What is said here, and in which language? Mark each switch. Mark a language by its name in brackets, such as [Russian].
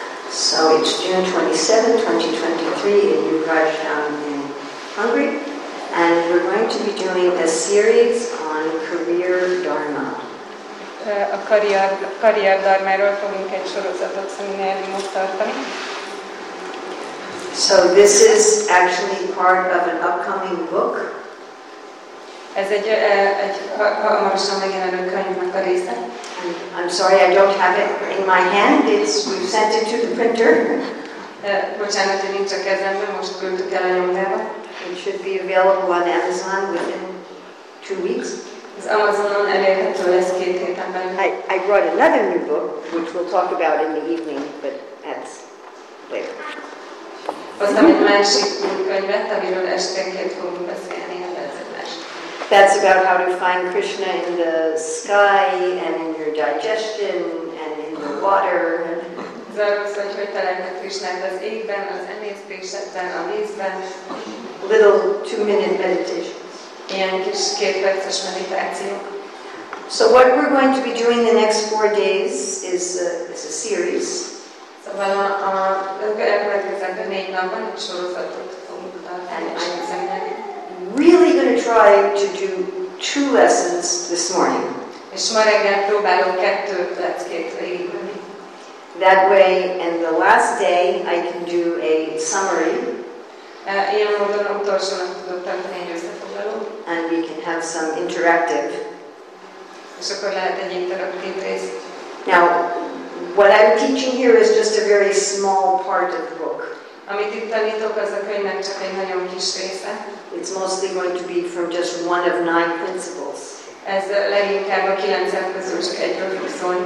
[English] So it's June 27, 2023 in Ukraine, Hungary, and we're going to be doing a series on career dharma. [Hungarian] A karrier dharmáról fogunk egy sorozatot szeminárium most tartani. [English] So this is actually part of an upcoming book. [Hungarian] Ez egy hamarosan megjelenő könyvnek a része. [English] I'm sorry, I don't have it in my hand. We've sent it to the printer. [Hungarian] Bocsánat, nincs a kezemben, most küldtük el a nyomdába. [English] It should be available on Amazon within 2 weeks. [Hungarian] Amazonon elérhető lesz 2 héten belül. [English] I brought another new book, which we'll talk about in the evening, but that's later. [Hungarian] Hoztam egy másik könyvet, amiről esténként fogunk beszélni, ez egy másik. [English] That's about how to find Krishna in the sky and in your digestion and in the water. [Hungarian] Ez arról, hogy hogy találhat Krishnát az égben, az emésztésedben, a vízben. [English] Little 2-minute meditation. [Hungarian] Ilyen kis kétperces meditációk. [English] So what we're going to be doing the next 4 days is a series. [Hungarian] Szóval a következő 4 napban egy sorozatot fogunk tartani. [English] Really going to try to do 2 lessons this morning. [Hungarian] És ma reggel próbálok 2 leckét leírni. [English] That way, in the last day, I can do a summary. [Hungarian] Ilyen módon utolsó nap tudok tartani egy összefoglalót. [English] And we can have some interactive. [Hungarian] És akkor lehet egy interaktív rész. [English] Now, what I'm teaching here is just a very small part of the book. [Hungarian] Amit itt tanítok, az a könyvnek csak egy nagyon kis része. [English] It's mostly going to be from just 1 of 9 principles. [Hungarian] Ez leginkább a 9 elv közül csak egyről fog szólni.